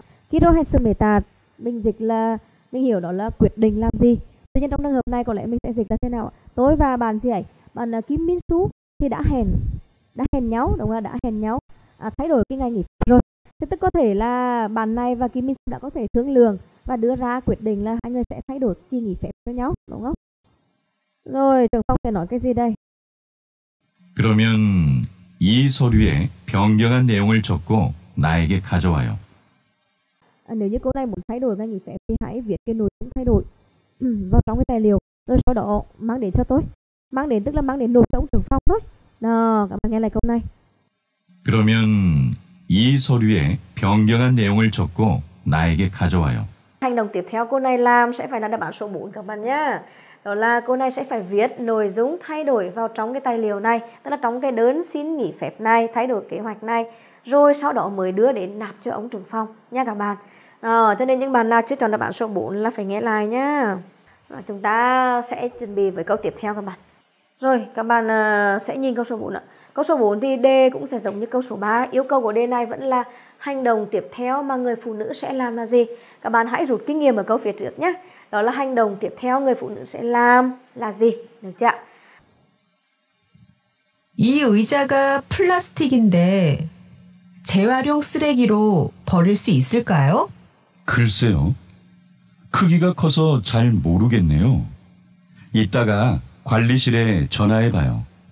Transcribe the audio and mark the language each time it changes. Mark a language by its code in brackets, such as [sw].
[ko] 기로 했습니다. [vi] Mình dịch là mình hiểu đó là quyết định làm gì. Tuy nhiên trong trường hợp này có lẽ mình sẽ dịch ra thế nào? Tôi và bạn gì ấy? Bạn Kim Min-su thì đã hẹn nhau, đúng không? Đã hẹn nhau thay đổi cái ngày nghỉ rồi. Thế tức có thể là bạn này và Kim Min-su đã có thể thương lượng và đưa ra quyết định là hai người sẽ thay đổi kỳ nghỉ phép cho nhau, đúng không? Rồi, trưởng phòng sẽ nói cái gì đây? [ko] 그러면 이 서류에 변경한 내용을 적고 나에게 가져와요. [vi] Nếu như cô này muốn thay đổi ngày nghỉ phép thì hãy viết cái nội dung thay đổi vào trong cái tài liệu, rồi sau đó mang đến cho tôi. Mang đến tức là mang đến nộp cho ông trưởng phòng thôi. Đó, các bạn nghe lại câu này. [ko] 그러면 이 서류에 변경한 내용을 적고 나에게 가져와요. [vi] Hành động tiếp theo cô này làm sẽ phải là đáp án số 4 các bạn nhé. Đó là cô này sẽ phải viết nội dung thay đổi vào trong cái tài liệu này, tức là trong cái đơn xin nghỉ phép này, thay đổi kế hoạch này, rồi sau đó mới đưa đến nạp cho ông trưởng phòng nha các bạn. Cho nên những bạn nào chưa chọn đáp án số 4 là phải nghe lại nhá. Chúng ta sẽ chuẩn bị với câu tiếp theo các bạn. Rồi, các bạn sẽ nhìn câu số 4 ạ. Câu số 4 thì D cũng sẽ giống như câu số 3. Yêu cầu của D này vẫn là hành động tiếp theo mà người phụ nữ sẽ làm là gì. Các bạn hãy rút kinh nghiệm ở câu phía trước nhé. Đó là hành động tiếp theo người phụ nữ sẽ làm là gì. Được chưa? [ko] 이 의자가 플라스틱인데 재활용 쓰레기로 버릴 수 있을까요? 글쎄요. 크기가 커서 잘 모르겠네요. 이따가 관리실에 전화해봐요.